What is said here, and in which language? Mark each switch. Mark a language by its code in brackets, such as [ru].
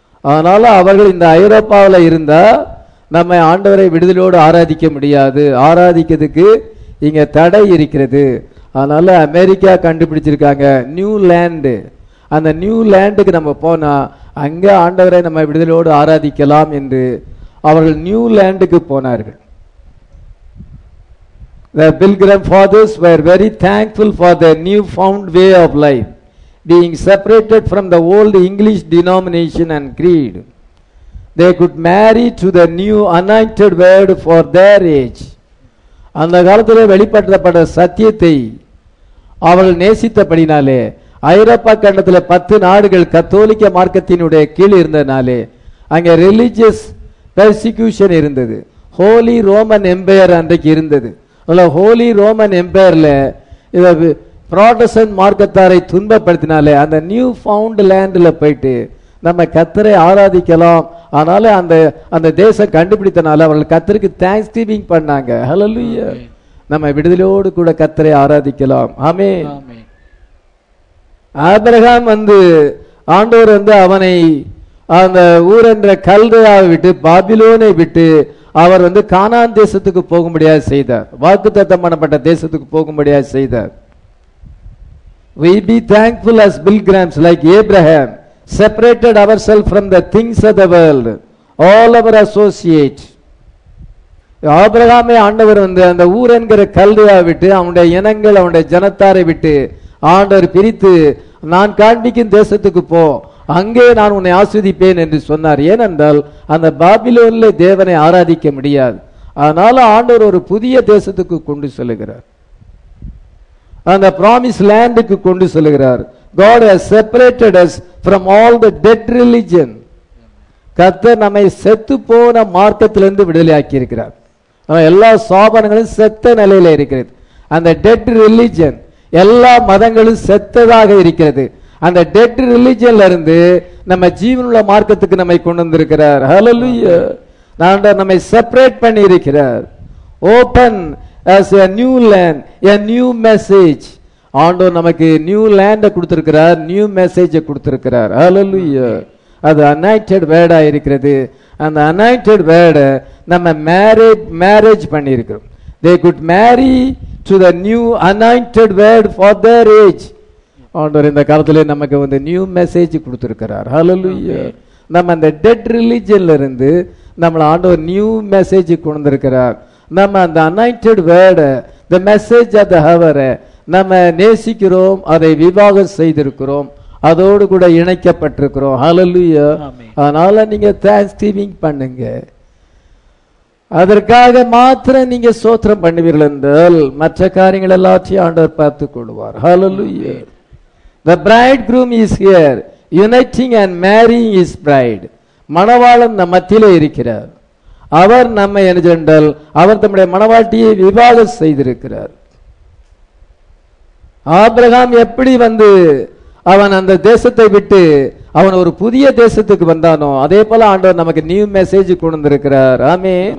[ta] அதனால் அவர்கள் இந்த ஐரோப்பாவில் இருந்தால் நம்மை ஆண்டவரை விடுதலையோடு ஆராதிக்க முடியாது, ஆராதிக்கிறதுக்கு இங்க தடை இருக்கிறது. அதனால அமெரிக்கா கண்டுபிடிச்சிருக்காங்க நியூ லேண்டு. அந்த நியூ லேண்டுக்கு நம்ம போனா அங்கே ஆண்டவரை நம்ம விடுதலையோடு ஆராதிக்கலாம் என்று அவர்கள் நியூ லேண்டுக்கு போனார்கள். [en] The Pilgrim fathers were very thankful for their newfound way of life, being separated from the old English denomination and creed. They could marry to the new anointed word for their age. [ta] அந்த காலத்தில் வெளிப்படுத்தப்பட்ட சத்தியத்தை அவர்கள் நேசித்தபடினாலே, ஐரோப்பா கண்டத்தில் 10 நாடுகள் கத்தோலிக்க மார்க்கத்தினுடைய கீழ் இருந்ததினாலே அங்கே ரிலிஜியஸ் பெர்சிக்யூஷன் இருந்தது. ஹோலி ரோமன் எம்பையர் அன்றைக்கு இருந்தது. அதில் ஹோலி ரோமன் எம்பையரில் இதை ப்ரோடஸ்டன்ட் மார்க்கத்தாரை துன்பப்படுத்தினாலே அந்த நியூ ஃபவுண்ட் லேண்டில் போயிட்டு நம்ம கத்தரை ஆராதிக்கலாம். அதனால அந்த அந்த தேசம் கண்டுபிடித்தனால அவர்கள் கத்தருக்கு தேங்க்ஸ் கிவிங் பண்ணாங்க. ஹல்லேலூயா. நம்ம விடுதலையோடு கூட கத்தரை ஆராதிக்கலாம். ஆமே. ஆபிரகாம் வந்து ஆண்டவர் வந்து அவனை அந்த ஊர் என்ற கல்தையாவை விட்டு பாபிலோனை விட்டு அவர் வந்து கானான் தேசத்துக்கு போகும்படியா செய்தார். வாக்கு தத்தம் பண்ணப்பட்ட தேசத்துக்கு போகும்படியா செய்தார். [en] We be thankful as pilgrims like Abraham, separated ourselves from the things of the world, all of our associates. [ta] ஆபிரகாமே ஆண்டவர் வந்து அந்த ஊர் என்கிற கல்தையாவை விட்டு அவனுடைய இனங்கள் அவனுடைய ஜனத்தாரை விட்டு ஆண்டவர் பிரித்து நான் காண்பிக்கும் தேசத்துக்கு போ, அங்கே நான் உன்னை ஆஸ்வதிப்பேன் என்று சொன்னார். ஏனென்றால் அந்த பாபிலோன்ல தேவனை ஆராதிக்க முடியாது. அதனால ஆண்டவர் ஒரு புதிய தேசத்துக்கு கொண்டு செல்கிறார், அந்த ப்ராமிஸ் லேண்டுக்கு கொண்டு செல்கிறார். [en] God has separated us from all the dead religion. [ta] கர்த்தர் நம்மை செத்து போன மார்க்கத்திலிருந்து விடுதலை ஆக்கி இருக்கிறார். எல்லா சாபனங்களும் செத்த நிலையில இருக்கிறது. அந்த டெட் ரிலிஜன், எல்லா மதங்களும் செத்ததாக இருக்கிறது. அந்த டெட் ரிலிஜன்ல இருந்து நம்ம ஜீவனுள்ள மார்க்கத்துக்கு நம்மை கொண்டு வந்திருக்கிறார். ஹல்லேலூயா. ஆண்டவர் நம்மை செப்பரேட் பண்ணி இருக்கிறார். [en] Open as a new land, a new message. [ta] ஆண்டவர் நமக்கு நியூ லேண்டை கொடுத்திருக்கிறார், நியூ மெசேஜை கொடுத்திருக்கிறார். ஹல்லேலூயா. அது அனாயிட்டட் வேர்டா இருக்கிறது. அந்த அனாயிட்டட் வேர்டை நம்ம மேரேஜ் பண்ணியிருக்கிறோம். [en] They could marry to the new anointed word for their age. [ta] ஆண்டவர் இந்த காலத்திலே நமக்கு வந்து நியூ மெசேஜ் கொடுத்திருக்கிறார். ஹல்லேலூயா. நம்ம அந்த டெட் ரிலிஜன்ல இருந்து நம்மளை ஆண்டவர் நியூ மெசேஜ் கொடுத்திருக்கிறார். நம்ம அந்த அனாயிட்டட் வேர்டை, [en] the message of the ஹவரை [ta] நம்ம நேசிக்கிறோம், அதை விவாகம் செய்திருக்கிறோம், அதோடு கூட இணைக்கப்பட்டிருக்கிறோம். ஹல்லேலூயா. அதனால நீங்க தேங்க்ஸ் கிவிங் பண்ணுங்க. அதற்காக மாத்திரம் நீங்க ஸ்தோத்திரம் பண்ணுவீர்கள் என்றால் மற்ற காரியங்கள் எல்லாத்தையும் ஆண்டவர் பார்த்து கொள்வார். ஹல்லேலூயா. [en] The bridegroom is here, uniting and marrying his bride. [ta] மணவாளன் நம்ம மத்தியில் இருக்கிறார். அவர் நம்ம என்றால் அவர் தம்முடைய மணவாட்டியை விவாகம் செய்திருக்கிறார். ஆபிரகாம் எப்படி வந்து அவன் அந்த தேசத்தை விட்டு அவன் ஒரு புதிய தேசத்துக்கு வந்தானோ அதே போல ஆண்டவர் நமக்கு நியூ மெசேஜ் கொடுத்திருக்கிறார். ஆமே.